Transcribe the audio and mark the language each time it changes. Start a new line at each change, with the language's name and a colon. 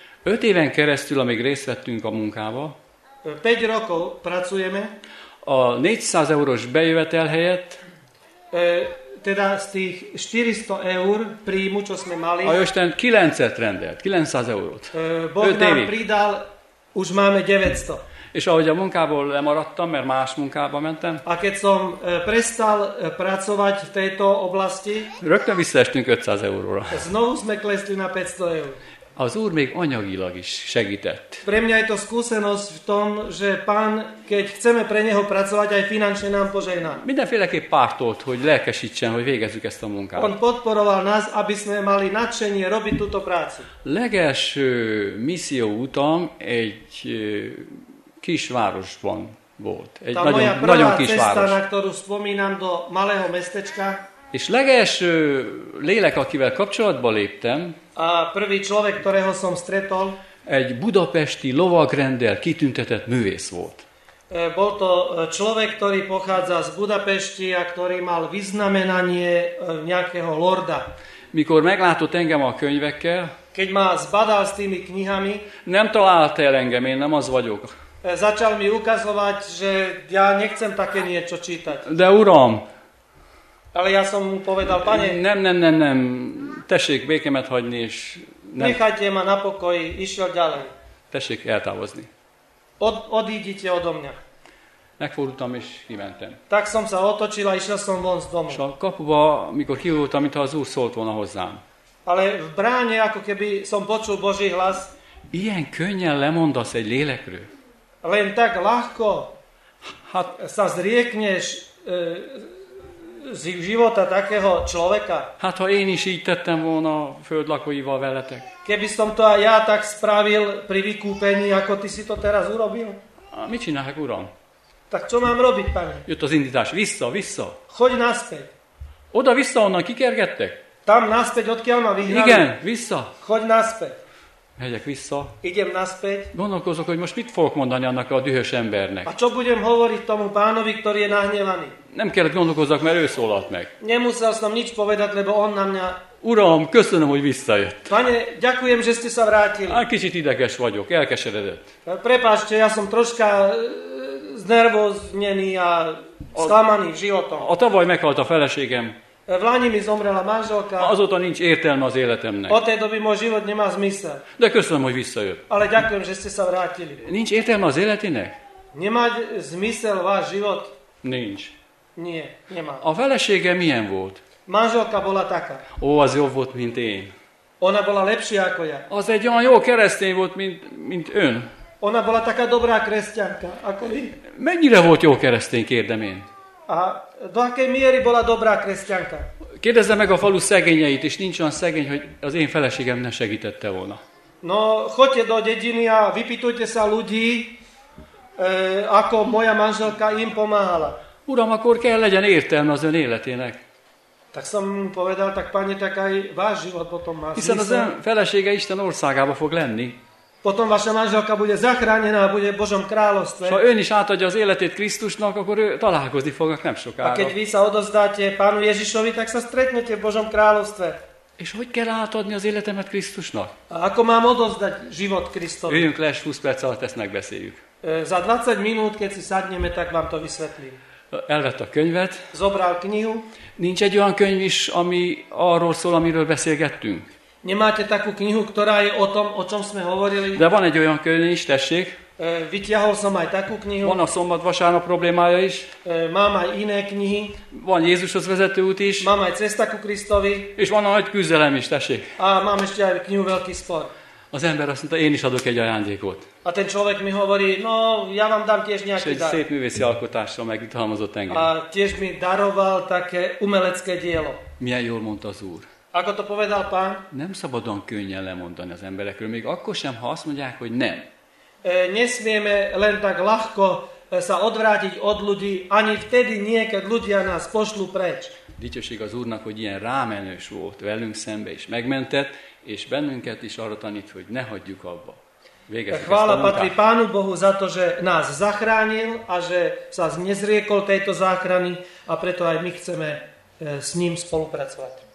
Hungarian: 5 éven keresztül, amíg részt vettünk a munkába,
Slovak: 5 rokov pracujeme,
Hungarian: a 400 eurós bejövetel helyett,
Slovak: teda z tých 400 eur príjmu, čo sme mali,
Hungarian: a Jošten 900 rendelt, 900 eurót.
Slovak: Boh nám pridal, už máme 900.
Hungarian: És ahogy a munkából lemaradtam, mert más munkába mentem,
Slovak: a keď som prestal pracovať v tejto oblasti,
Hungarian: rögtön visszaestünk 500 euróra.
Slovak: Znovu sme klesli na 500 eur.
Hungarian: Az úr még anyagilag is segített.
Slovak: Pre mňa je to skúsenosť v tom, že pán, keď chceme pre neho pracovať, aj finančne nám požehná.
Hungarian: Mindenféleképp pártolt, hogy lelkesítsen, hogy végezzük ezt a munkát.
Slovak: On podporoval nás, aby sme mali nadšenie robiť túto prácu.
Hungarian: Legelső misszió útam egy kisvárosban volt. Egy tá nagyon,
Slovak: moja prvá
Hungarian: nagyon kisváros.
Slovak: Cesta, na ktorú spomínam, do malého mestečka.
Hungarian: És legelső lélek, akivel kapcsolatba léptem,
Slovak: a prvý človek, ktorého som stretol,
Hungarian: egy budapesti lovagrenddel kitüntetett művész volt.
Slovak: Bol to človek, ktorý pochádza z Budapešti a ktorý mal vyznamenanie nejakého lorda.
Hungarian: Mikor meglátott engem a könyvekkel,
Slovak: keď ma zbadal s tými knihami,
Hungarian: nem talált el engem, én nem az vagyok.
Slovak: Začal mi ukazovať, že ja nechcem také niečo čítať.
Hungarian: De uram,
Slovak: ale ja som mu povedal, pane,
Hungarian: nem, tessék békemet hagyni, és nem.
Slovak: Nechajte ma na pokoji, išiel ďalej.
Hungarian: Tessék eltávozni.
Slovak: Odídite odo mňa.
Hungarian: Megfordultam, és kimentem.
Slovak: Tak som sa otočil a išiel som von z domu.
Hungarian: És a kapuba, mikor kihúltam, mintha az úr szólt volna hozzám.
Slovak: Ale v bráne, ako keby som počul Boží hlas.
Hungarian: Ilyen könnyen lemondasz egy lélekről.
Slovak: Len tak ľahko sa zriekneš z života takého človeka.
Hungarian: Hát ha én is így tettem volna földlakóival veletek.
Slovak: Keby som to aj ja tak spravil pri vykúpení, ako ty si to teraz urobil.
Hungarian: A mi činák, uram?
Slovak: Tak čo mám robiť, pane?
Hungarian: Jött az indítás, vissza.
Slovak: Choď naspäť.
Hungarian: Oda vissza, onnan kikergettek?
Slovak: Tam naspäť, odkiaľ ma vyhrali.
Hungarian: Igen, vissza.
Slovak: Choď naspäť.
Hungarian: Megyek vissza.
Slovak: Idem naspäť.
Hungarian: Gondolkozok, hogy most mit fogok mondani annak a dühös embernek.
Slovak: A čo budem hovoriť tomu pánovi, ktorý je nahnevaný?
Hungarian: Nem kellett gondolkozzak, mert ő szólalt meg.
Slovak: Nemusel som nič povedať, lebo on na mňa...
Hungarian: Uram, köszönöm, hogy visszajött.
Slovak: Pane, ďakujem, že ste sa vrátili.
Hungarian: Hát kicsit ideges vagyok, elkeseredett.
Slovak: Prepáčte, ja som troška znervoznený a sklamaný životom.
Hungarian: A tavaly meghalt a feleségem.
Slovak: V lani mi zomrela manželka.
Hungarian: Azóta nincs értelme az életemnek.
Slovak: Od tej doby môj život nemá zmysel.
Hungarian: De köszönöm, hogy visszajött.
Slovak: Ale ďakujem, že ste sa vrátili.
Hungarian: Nincs értelme az életének?
Slovak: Nemá zmysel váš život?
Hungarian: Nincs.
Slovak: Nie, nemá.
Hungarian: A felesége milyen volt?
Slovak: Manželka bola taká.
Hungarian: Ó, az jobb volt, mint én.
Slovak: Ona bola lepšia ako ja.
Hungarian: Az egy olyan jó keresztény volt, mint ön.
Slovak: Ona bola taká dobrá kresťanka, ako vy.
Hungarian: Mennyire volt jó keresztény, kérdem én.
Slovak: A do akej miery bola dobrá kresťanka?
Hungarian: Kérdezze meg a falu szegényeit, és nincs olyan szegény, hogy az én feleségem ne segítette volna.
Slovak: No, choďte do dediny a vypýtujte sa ľudí, ako moja manželka im pomáhala.
Hungarian: Uram, akkor kell legyen értelme az ön életének.
Slovak: Tak som povedal, tak pane, tak aj váš život potom má.
Hungarian: Hiszen az ön felesége Isten országába fog lenni.
Slovak: Potom vaša manželka bude zachránená, bude v Božom kráľovstve.
Hungarian: Ha ön is átadja az életét Krisztusnak, akkor ő találkozni fog, nem sokára.
Slovak: A keď vy sa odozdáte pánu Ježišovi, tak sa stretnete v Božom kráľovstve.
Hungarian: És hogy kell átadni az életemet Krisztusnak?
Slovak: A ako mám odozdať život Kristovi?
Hungarian: Üljünk le, 20 perc alatt ezt megbeszéljük.
Slovak: Za 20 minút, keď si sadneme, tak vám to vysvetlím.
Hungarian: Elvett a könyvet.
Slovak: Zobral knihu.
Hungarian: Nincs egy olyan könyv is, ami arról szól, amiről beszélgettünk?
Slovak: Nemáte takú knihu, ktorá je o tom, o čom sme hovorili?
Hungarian: De van egy olyan könyv is, tessék.
Slovak: Vytiahol som aj takú knihu.
Hungarian: Van a szombat-vasárnap problémája is.
Slovak: Mám aj iné knihy.
Hungarian: Van Jézushoz vezető út is.
Slovak: Mám aj cesta ku Kristovi.
Hungarian: És van a nagy küzdelem is, tessék.
Slovak: A mám ešte aj knihu Veľký spor.
Hungarian: Az ember azt mondta, én is adok egy ajándékot.
Slovak: A ten človek mi hovorí, no, ja vám dám tiež nejaký dar.
Hungarian: És egy szép művészi alkotásra megjutalmazott engem.
Slovak: A tiež mi daroval také umelecké dielo.
Hungarian: Milyen jól mondta az úr.
Slovak: Ako to povedal pán?
Hungarian: Nem szabadon könnyen lemondani az emberekről, még akkor sem, ha azt mondják, hogy nem.
Slovak: Nesmieme len tak ľahko sa odvrátiť od ľudí, ani vtedy nie, keď ľudia nás pošlú preč.
Hungarian: Dicsőség az Úrnak, hogy ilyen rámenős volt velünk szembe, és megmentett, és bennünket is arra tanít, hogy ne hagyjuk abba.
Slovak: Chvála patrí Pánu Bohu za to, že nás zachránil a že sa nezriekol tejto záchrany a preto aj my chceme s ním spolupracovať.